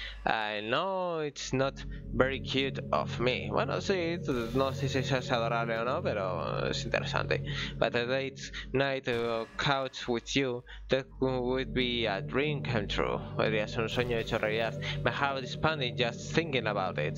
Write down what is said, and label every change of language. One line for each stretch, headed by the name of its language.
English: I know it's not very cute of me.
Spanish: Bueno, sí, no sé si es adorable o no, pero es interesante.
English: But a late night couch with you, that would be a dream come true.
Spanish: Podría ser un sueño hecho realidad.
English: My heart is pounding just thinking about it.